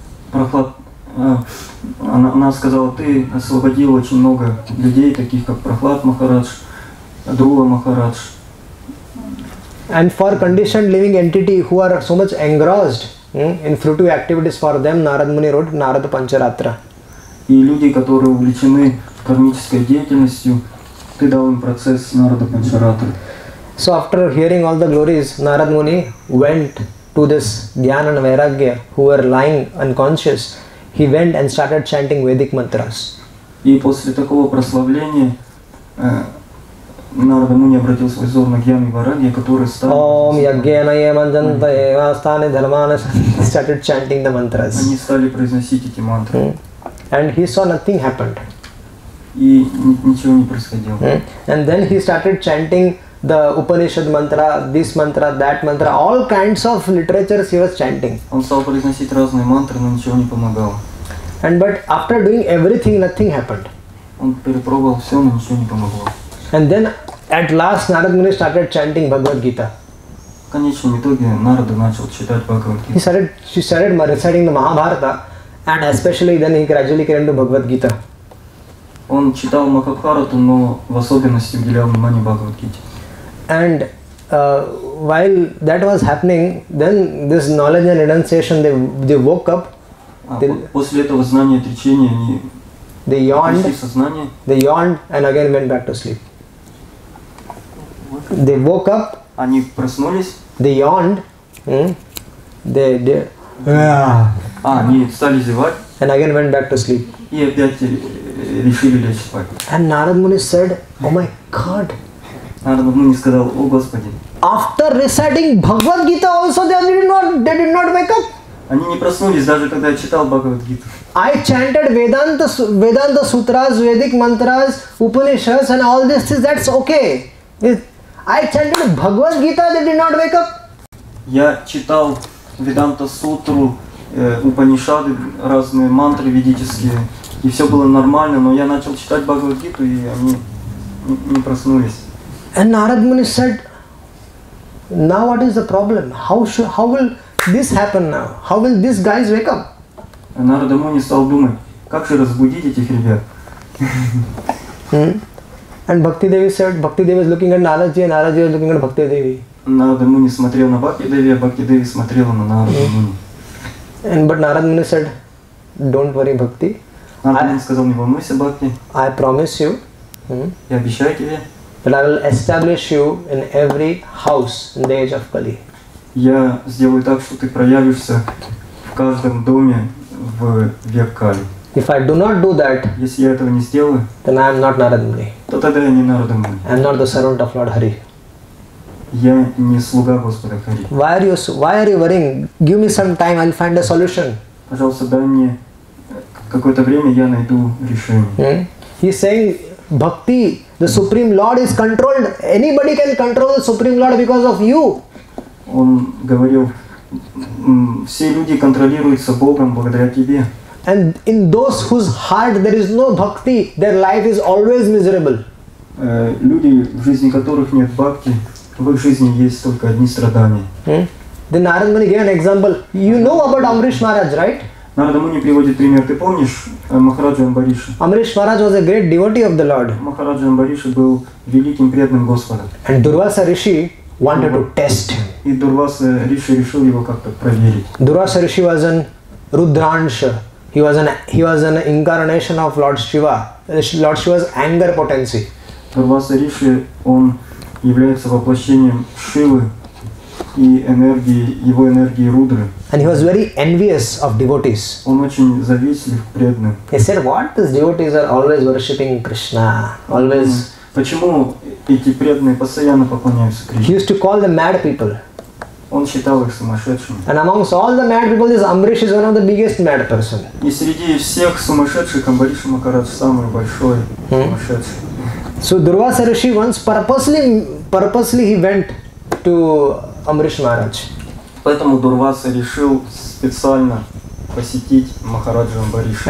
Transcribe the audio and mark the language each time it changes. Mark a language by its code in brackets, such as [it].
[ru] Prahlad, она сказала, ты освободил очень много людей, таких как Prahlad Maharaj, Dhruva Maharaj. [en] And for conditioned living entity who are so much engrossed in fruitive activities, for them, Narad Muni wrote Narada Pancharatra. [ru] И люди, которые увлечены кармической деятельностью, ты дал им процесс Нарада Панчаратры. [en] So after hearing all the glories, Narad Muni went to this Jnana and Vairagya who were lying unconscious. He went and started chanting Vedic mantras. [ru] И после такого прославления Narada Muni обратил свой взор на Jnana и Vairagya, которые стали. [sa] Om Yajnana Yamanjanta Evasthane Dharmana. [en] Started chanting the mantras. [ru] Они стали произносить эти мантры. [en] And he saw nothing happened. [ru] И ничего не происходило. [en] And then he started chanting the Upanishad mantra, this mantra, that mantra, all kinds of literatures he was chanting. [ru] Он стал произносить разные мантры, но ничего не помогало. [en] But after doing everything, nothing happened. [ru] Он перепробовал все, но ничего не помогло. [en] And then at last Narad Muni started chanting Bhagavad Gita. [ru] В конечном итоге Нарада начал читать Бхагавад Гиту. [en] He started reciting the Mahabharata. And especially then he gradually came to Bhagavad Gita. [ru] Он читал Махабхарату, но в особенности уделял внимание Бхагавад Гите. And while that was happening, then this knowledge and renunciation, they woke up. После этого знания и отречения они пришли в сознание. [en] They yawned and again went back to sleep. They woke up. [ru] Они проснулись. [en] They yawned. [ru] Они стали зевать. [en] And again went back to sleep. [ru] И опять решили лечь спать. [en] And Narad Muni said, Oh my God, After reciting Bhagavad Gita also they did not wake up. [ru] Они не проснулись, даже когда я читал Бхагавад Гиту. [en] I chanted Vedanta Sutras, Vedic Mantras, Upanishads and all this is that's okay. I chanted Bhagavad Gita, they did not wake up. [ru] Я читал Веданта Сутру, Упанишады, разные мантры ведические, и все было нормально, но я начал читать Бхагавад Гиту, и они не проснулись. [en] And Narad Muni said, now what is the problem? How will this happen now? How will these guys wake up? [ru] Narada Muni стал думать, как же разбудить этих ребят? [en] And Bhakti Devi said, Bhakti Devi is looking at Narada Ji, and Narada Ji is looking at Bhakti Devi. [ru] Narada Muni смотрел на Бхакти Деви, а Бхакти Деви смотрела на Нарада Муни. [en] But Narada Muni said, don't worry, Bhakti. [ru] Narada Muni сказал, не волнуйся, Бхакти. [en] I promise you. [ru] Я обещаю тебе. [en] That I will establish you in every house in the age of Kali. [ru] Я сделаю так, что ты проявишься в каждом доме в век Кали. [en] If I do not do that, [ru] если я этого не сделаю, [en] then I am not Narada Muni. [ru] То тогда я не Narada Muni. [en] I am not the servant of Lord Hari. [ru] Я не слуга Господа Хари. [en] Why are you worrying? Give me some time, I'll find a solution. [ru] Пожалуйста, дай мне какое-то время, я найду решение. [en] He's saying, Bhakti, the Supreme Lord is controlled. Anybody can control the Supreme Lord because of you. [ru] Он говорил, все люди контролируются Богом благодаря тебе. [en] And in those whose heart there is no bhakti, their life is always miserable. [ru] Люди, в жизни которых нет бхакти, в их жизни есть только одни страдания. [en] Then Narada Muni gave an example. You know about Amrish Maharaj, right? [ru] Narada Muni приводит пример. Ты помнишь Махараджу Амбариша? [en] Amrish Maharaj was a great devotee of the Lord. [ru] Махараджа Амбариша был великим преданным Господа. [en] And Durvasa Rishi wanted to test him. [ru] И Дурваса Риши решил его как-то проверить. [en] Durvasa Rishi was an Rudransha. He was an incarnation of Lord Shiva. Lord Shiva's anger potency. [ru] Durvasa Rishi, он является воплощением Шивы и энергии, его энергии Рудры. [en] And he was very envious of devotees. [ru] Он очень завистлив к преданным. [en] He said, what? These devotees are always worshipping Krishna. Always. [ru] Почему эти преданные постоянно поклоняются Кришне? [en] He used to call them mad people. [ru] Он считал их сумасшедшими. [en] And amongst all the mad people, this Amrish is one of the biggest mad person. [ru] И среди всех сумасшедших Амбариша Махарадж самый большой сумасшедший. [en] So Durvasa Rishi once purposely he went to Amrish Maharaj. [ru] Поэтому Дурваса решил специально посетить Махараджа Амбариша.